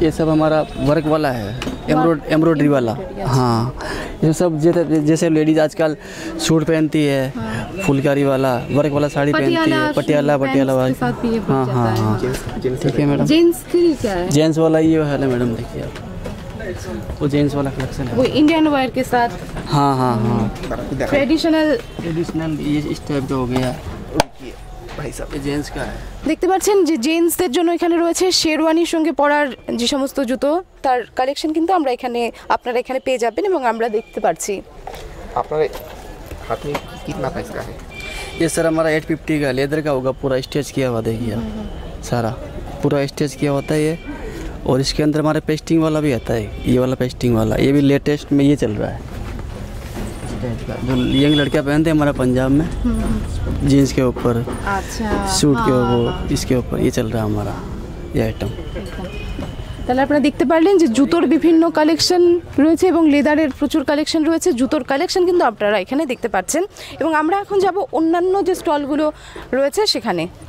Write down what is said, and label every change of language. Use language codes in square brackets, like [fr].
[hi] ये सब हमारा वर्क वाला है, एम्ब्रॉयडरी वाला। हाँ, ये सब जैसे लेडीज आजकल सूट पहनती है, फुलकारी वाला वर्क वाला साड़ी पहनती है, पटियाला वाला। हाँ हाँ हाँ, ठीक है मैडम। जेंट्स के लिए क्या है? जेंट्स वाला ये है मैडम, देखिए आप, वो जेंट्स वाला कलेक्शन है, वो इंडियन वेयर के साथ। हाँ हाँ हाँ, ट्रेडिशनल ये इस टाइप का हो गया भाई साहब, ये जेंट्स का है। [bn] দেখতে পাচ্ছেন যে জেন্টসদের জন্য এখানে রয়েছে শেরওয়ানির সঙ্গে পরার যে সমস্ত জুতো, তার কালেকশন কিন্তু আমরা এখানে আপনারা এখানে পেয়ে যাবেন, এবং আমরা দেখতে পাচ্ছি আপনারা হাতে [hi] কিতনা প্রাইস কা হ্যায়। ये सर हमारा 850 का लेदर का होगा, पूरा स्टिच किया हुआ, देखिए सारा पूरा स्टिच किया होता है ये, और इसके अंदर हमारे पेस्टिंग वाला भी आता है, ये वाला पेस्टिंग वाला, ये भी लेटेस्ट में ये चल रहा है, जो यंग लड़के पहनते हैं हमारा पंजाब में, जींस के ऊपर। अच्छा। सूट के ऊपर, इसके ऊपर ये चल रहा है हमारा ये आइटम। [bn] তাহলে আপনারা দেখতে পারলেন যে জুতোর বিভিন্ন কালেকশন রয়েছে, এবং লেদারের প্রচুর কালেকশন রয়েছে, জুতোর কালেকশন কিন্তু আপনারা এখানে দেখতে পাচ্ছেন, এবং আমরা এখন যাব অন্যান্য যে স্টলগুলো রয়েছে সেখানে।